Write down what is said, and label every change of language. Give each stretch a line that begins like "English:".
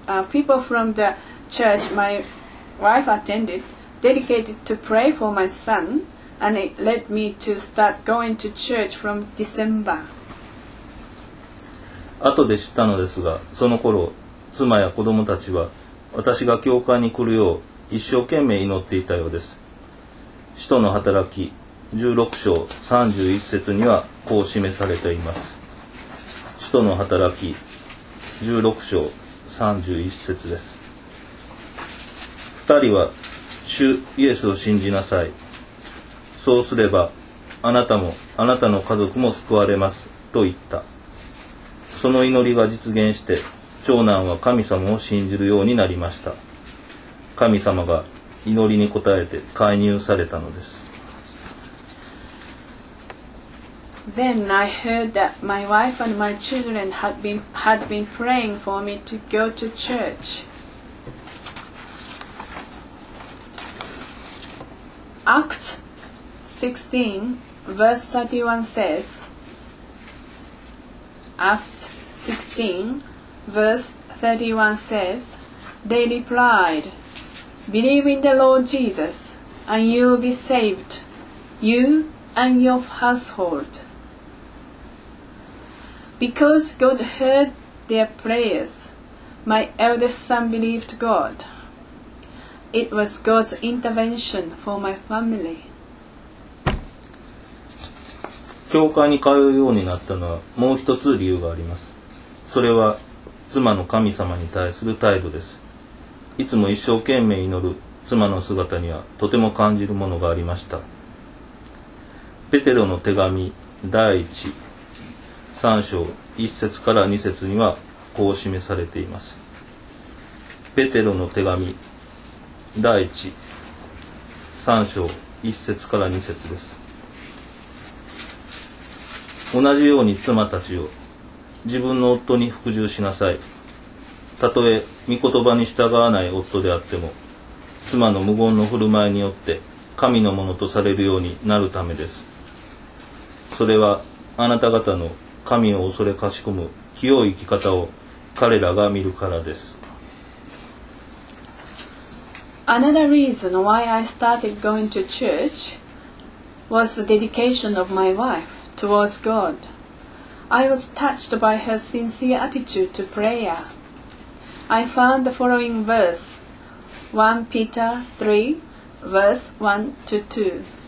English: People from the church my wife attended dedicated to pray for my son, and it led me to start going to church from December.
Japanese: 後で知ったのですが、その頃妻や子供たちは私が教会に来るよう一生懸命祈っていたようです。使徒の働き16章31節にはこう示されています。使徒の働き16章31節です。二人は主イエスを信じなさい、そうすればあなたもあなたの家族も救われますと言った。その祈りが実現して長男は神様を信じるようになりました。神様が祈りに応えて介入されたのです。
English: Then I heard that my wife and my children had been praying for me to go to church. Acts 16 verse 31 says, Acts 16Verse 31 says, They replied, Believe in the Lord Jesus, and you will be saved, you and your household. Because God heard their prayers, my eldest son believed God. It was God's intervention for my family.
Japanese: 教会に通うようになったのはもう一つ理由があります。それは妻の神様に対する態度です。いつも一生懸命祈る妻の姿にはとても感じるものがありました。ペテロの手紙第1、3章1節から2節にはこう示されています。ペテロの手紙第1、3章1節から2節です。同じように妻たちを自分の夫に服従しなさい。たとえ御言葉に従わない夫であっても妻の無言の振る舞いによって神のものとされるようになるためです。それはあなた方の神を恐れかしこむ清い生き方を彼らが見るからです。
English: Another reason why I started going to church was the dedication of my wife towards GodI was touched by her sincere attitude to prayer. I found the following verse, 1 Peter 3, verse 1 to 2.